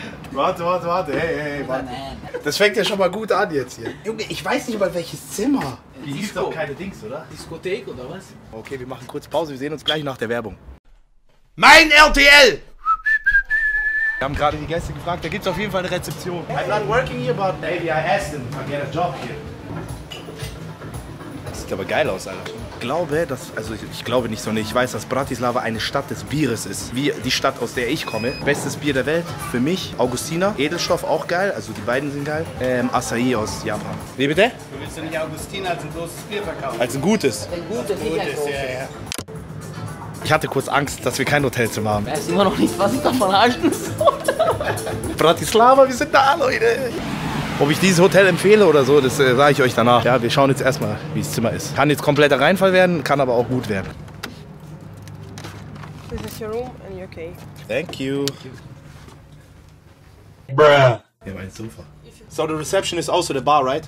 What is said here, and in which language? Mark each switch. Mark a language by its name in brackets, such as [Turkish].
[German] Warte, warte, warte. Hey, hey, hey, warte. Das fängt ja schon mal gut an jetzt hier. Junge, ich weiß nicht mal welches Zimmer. Hier gibt's doch keine Dings, oder? Diskothek oder was? Okay, wir machen kurz Pause. Wir sehen uns gleich nach der Werbung. Mein RTL! Wir haben gerade die Gäste gefragt. Da gibt's auf jeden Fall eine Rezeption. [English] I'm not working here, but maybe I asked them if I get a job here. [German] Sieht aber geil aus, Alter. Ich weiß, dass Bratislava eine Stadt des Bieres ist. Wie die Stadt, aus der ich komme. Bestes Bier der Welt. Für mich, Augustiner. Edelstoff auch geil, also die beiden sind geil. Acai aus Japan. Wie bitte? Du willst ja nicht Augustiner als ein großes Bier verkaufen. Als ein gutes. Ein gutes, nicht ein großes. Ich hatte kurz Angst, dass wir kein Hotelzimmer haben. Ich weiß immer noch nicht, was ich da verarschen soll. Bratislava, wir sind da, Leute. Ob ich dieses Hotel empfehle oder so, das sage ich euch danach. Ja, wir schauen jetzt erstmal, wie das Zimmer ist. Kann jetzt kompletter Reinfall werden, kann aber auch gut werden. [English] This is your room and you're okay. Thank you. [German] Bruh. Hier war ein Sofa. [English] So the reception is also the bar, right?